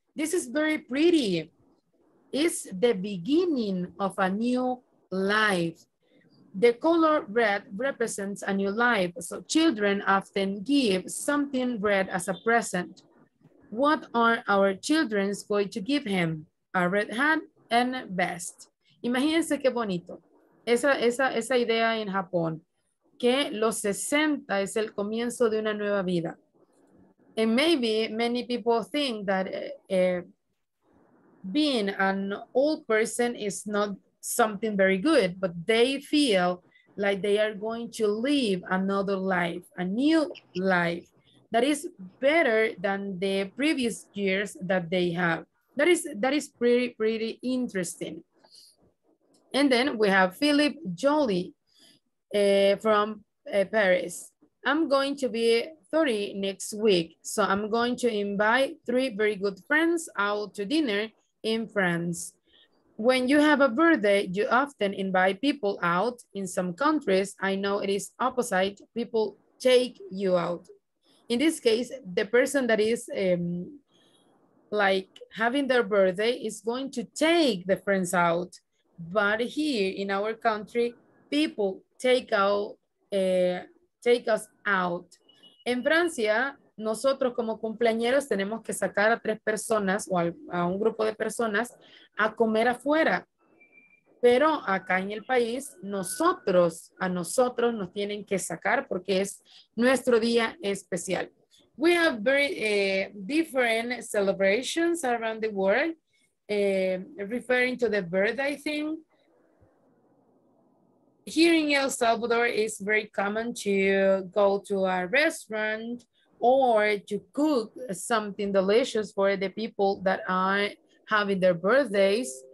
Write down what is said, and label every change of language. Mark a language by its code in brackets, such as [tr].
[en] This is very pretty. It's the beginning of a new life. The color red represents a new life, so children often give something red as a present. What are our children going to give him? A red hat and vest. [es] Imagínense qué bonito. Esa idea en Japón, que los 60 es el comienzo de una nueva vida. [en] And maybe many people think that being an old person is not something very good, but they feel like they are going to live another life, a new life that is better than the previous years that they have. That is pretty, pretty interesting. And then we have Philip Jolly from Paris. I'm going to be 30 next week, so I'm going to invite 3 very good friends out to dinner in France. When you have a birthday, you often invite people out. In some countries, I know it is opposite. People take you out. In this case, the person that is like having their birthday is going to take the friends out. But here in our country, people take us out. [es] En Francia, nosotros como cumpleañeros tenemos que sacar a 3 personas o a un grupo de personas a comer afuera. Pero acá en el país, a nosotros nos tienen que sacar porque es nuestro día especial. [en] We have very different celebrations around the world, referring to the birthday thing. Here in El Salvador, it's very common to go to a restaurant or to cook something delicious for the people that are having their birthdays.